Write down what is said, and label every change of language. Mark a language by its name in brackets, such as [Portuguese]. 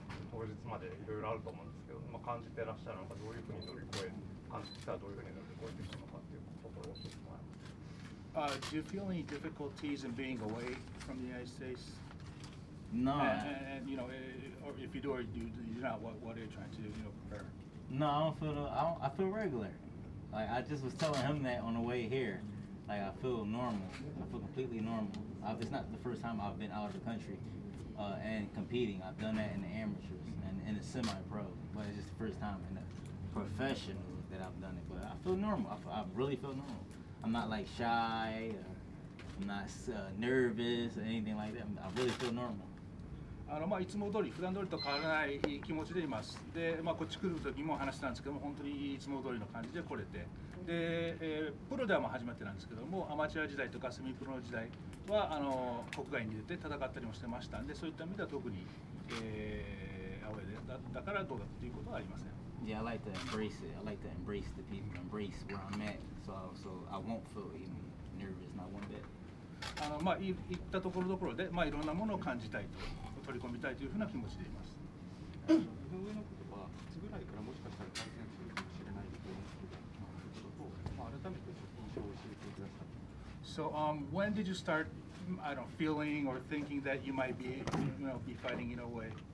[Japanese] 当日までいろいろあると思うんですけど、まあ、感じてらっしゃるのか、どういうふうに乗り越え、感じてたらどういうふうに乗り越えてきたのかっていうところを教えてもらいます。 [English] Do you feel any difficulties in being away from the United States? No. And you know, or if you do, or you do not, what are you trying to, you know, prepare? No, I don't feel, I feel regular. Like, I just was telling him that on the way here. Like, I feel normal. I feel completely normal. It's not the first time I've been out of the country and competing. I've done that in the amateurs and in the semi-pro, but it's just the first time in the professional that I've done it. But I feel normal. I really feel normal. I'm not like shy, I'm not nervous or anything like that. I really feel normal. [Japanese] あのまあ、いつも通り普段通りと変わらない気持ちでいます。で、まあ、こっち来る時も話したんですけども、本当にいつも通りの感じで来れて、で、プロではまあ初めてなんですけども、アマチュア時代とかセミプロの時代はあの国外に出て戦ったりもしてましたんで、そういった意味では特に、アウェーで だからどうだということはありません。 [English] Yeah, I like to embrace it. I like to embrace the people, embrace where I'm at. So I won't feel even nervous, not one bit. [Japanese] あのまあ、行ったところどころで、まあ、いろんなものを感じたいと取り込みたいというふうな気持ちでいます。井上のことは、夏ぐらいからもしかしたら感染するかもしれないと思うんですけど、改めて印象を教えてください。 [English] So, when did you start, I don't know, feeling or thinking that you might be, you know, be fighting in a way?